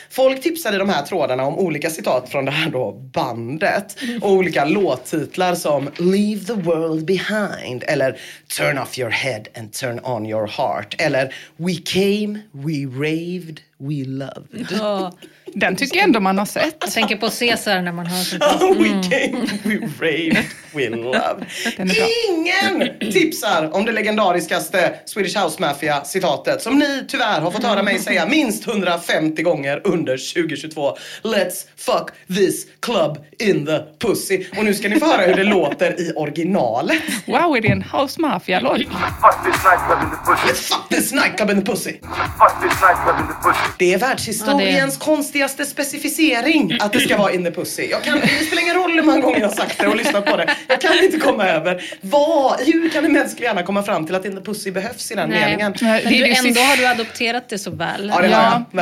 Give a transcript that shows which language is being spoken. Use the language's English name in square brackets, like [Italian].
[Swedish] Folk tipsade de här trådarna om olika citat från det här då bandet och olika låttitlar som Leave the World Behind eller Turn Off Your Head and Turn On Your Heart eller We Came, We Raved, We Loved. Ja. Den tycker jag ändå man har sett. Jag tänker på Caesar när man hör sånt. [English] We came, we raved, we loved. [Swedish] Ingen tipsar om det legendariskaste Swedish House Mafia citatet som ni tyvärr har fått höra mig säga minst 150 gånger under 2022. [English] Let's fuck this club in the pussy. [Swedish] Och nu ska ni få höra hur det låter i original. Wow, är det en House Mafia låt? [English] Let's fuck this nightclub in the pussy. Let's fuck this nightclub in the pussy. Let's fuck this nightclub in the pussy. [Swedish] Det är världshistoriens konstigaste specificering att det ska vara [English] in the pussy. [Swedish] Jag kan, det spelar ingen roll hur många gånger jag har sagt det och lyssnat på det. Jag kan inte komma över. Vad, hur kan en mänsklig gärna komma fram till att [English] in the pussy [Swedish] behövs i den meningen? Men du, ändå har du adopterat det så väl. Ja, det,